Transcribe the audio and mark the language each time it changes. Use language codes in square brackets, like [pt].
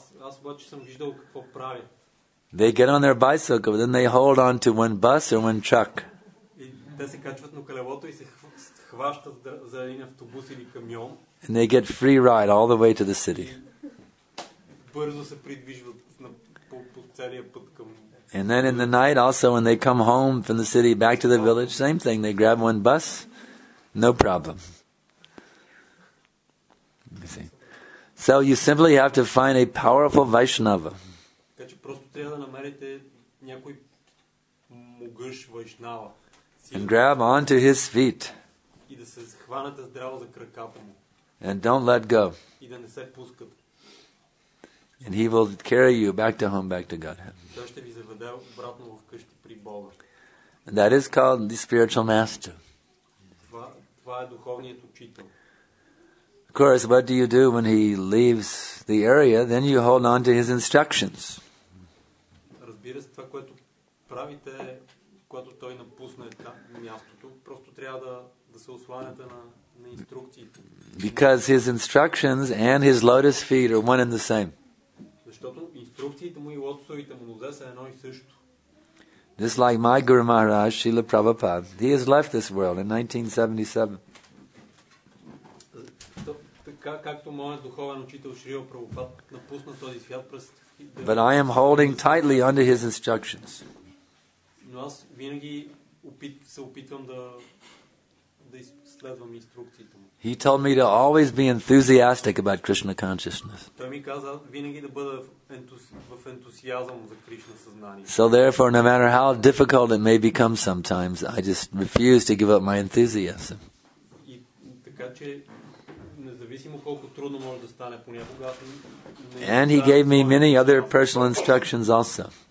[bg] Аз обаче съм виждал какво правят. [en] They get on their bicycle, then they hold on to one bus or one truck. [bg] Те се качват на колелото и се хващат за един автобус или камион. [en] And they get free ride all the way to the city. [bg] Бързо се придвижват по целия път към. [en] And then in the night also when they come home from the city back to the village, same thing, they grab one bus, no problem. You see. So you simply have to find a powerful Vaishnava. [bg] Просто трябва да намерите някой могъщ вайшнава. [en] And grab onto his feet. [bg] И да се хванете здраво за краката му. [en] And don't let go. [bg] И да не се пускат. [en] And he will carry you back to home, back to Godhead. [bg] Той ще ви заведе обратно в къщи при Бога. [en] And that is called the spiritual master. [bg] Това е духовният учител. [en] Of course, what do you do when he leaves the area? Then you hold on to his instructions. [bg] Това, което правите, когато той напусне мястото, просто трябва да се осланяте на инструкциите. [en] Because his instructions and his lotus feet are one and the same. [bg] Защото инструкциите му и лотосовите му нозе са едно и също. [en] Just like my Guru Maharaj, Srila Prabhupada, he has left this world in 1977. [bg] Така както моят духовен учител Шрила Прабхупад напусна този свят през. [en] But I am holding tightly under his instructions. [bg] Но аз винаги се опитвам да следвам инструкциите му. [en] He told me to always be enthusiastic about Krishna consciousness. [bg] Той ми каза винаги да бъда в ентусиазъм за Кришна съзнание. [en] So therefore, no matter how difficult it may become sometimes, I just refuse to give up my enthusiasm. [bg] И така че независимо колко трудно може да стане понякога. [en] And he gave me many other personal instructions also.